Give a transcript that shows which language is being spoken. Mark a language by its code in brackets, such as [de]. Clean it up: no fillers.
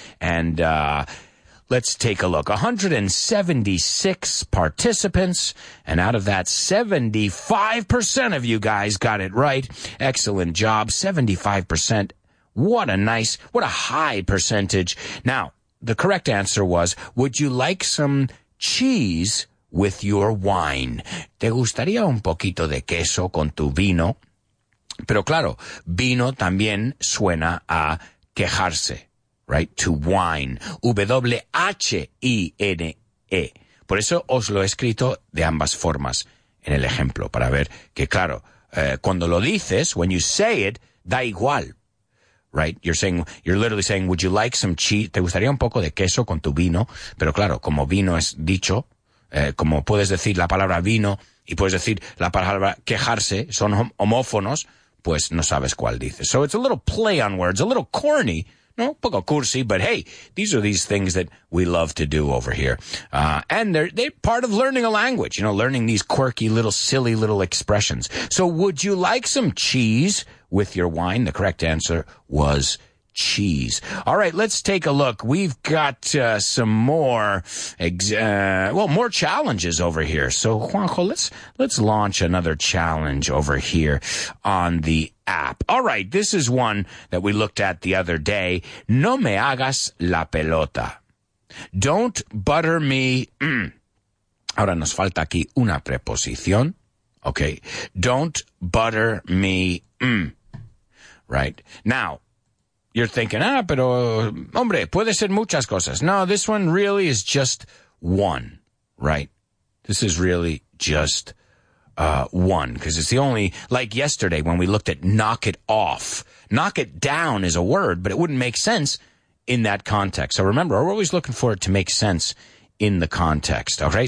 [en] And let's take a look. 176 participants, and out of that, 75% of you guys got it right. Excellent job. 75%. What a high percentage. Now, the correct answer was, would you like some cheese with your wine? [es] ¿Te gustaría un poquito de queso con tu vino? Pero claro, vino también suena a quejarse, right? [en] To whine. W-H-I-N-E. [es] Por eso os lo he escrito de ambas formas en el ejemplo, para ver que, claro, cuando lo dices, [en] when you say it, [es] da igual, right? [en] You're literally saying, would you like some cheese? [es] ¿Te gustaría un poco de queso con tu vino? Pero claro, como vino es dicho, como puedes decir la palabra vino y puedes decir la palabra quejarse, son homófonos, pues no sabes cuál dices. [en] So it's a little play on words, a little corny, no, [es] un poco cursi, [en] but hey, these are these things that we love to do over here. And they're part of learning a language, you know, learning these quirky little silly little expressions. So would you like some cheese with your wine? The correct answer was cheese. All right, let's take a look. We've got some more more challenges over here. So Juanjo, let's launch another challenge over here on the app. All right, this is one that we looked at the other day. [es] No me hagas la pelota. [en] Don't butter me. [es] Ahora nos falta aquí una preposición. Okay. [en] Don't butter me. Right. Now, you're thinking, [es] ah, pero, hombre, puede ser muchas cosas. [en] No, this one really is just one, right? This is really just one, because it's the only, like yesterday when we looked at knock it off. Knock it down is a word, but it wouldn't make sense in that context. So remember, we're always looking for it to make sense in the context, okay?